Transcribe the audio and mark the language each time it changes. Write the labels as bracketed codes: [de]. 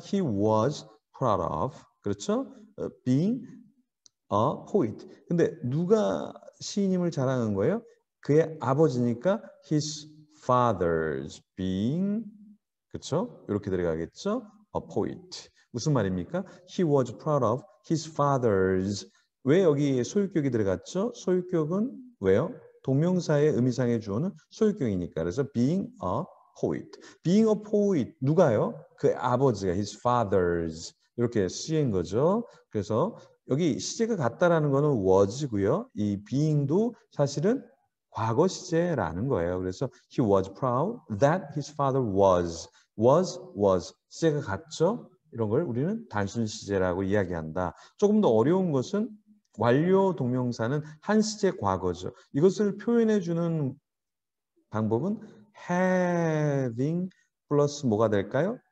[en] He was proud of. 그렇죠? Being a poet. [ko] 근데 누가 시인임을 자랑한 거예요? 그의 아버지니까 [en] his father's being, [ko] 그렇죠? 이렇게 들어가겠죠? [en] A poet. [ko] 무슨 말입니까? [en] He was proud of his father's. [ko] 왜 여기에 소유격이 들어갔죠? 소유격은 왜요? 동명사의 의미상에 주어는 소유격이니까. [en] 그래서 being a poet. Being a poet, 누가요? [ko] 그 아버지가 [en] his father's. [ko] 이렇게 쓰인 거죠. 그래서 여기 시제가 같다라는 거는 was고요. 이 being도 사실은 과거 시제라는 거예요. [en] 그래서 he was proud that his father was [ko] 시제가 같죠? 이런 걸 우리는 단순 시제라고 이야기한다. 조금 더 어려운 것은 완료 동명사는 한 시제 과거죠. 이것을 표현해 주는 방법은 [en] having plus [ko] 뭐가 될까요?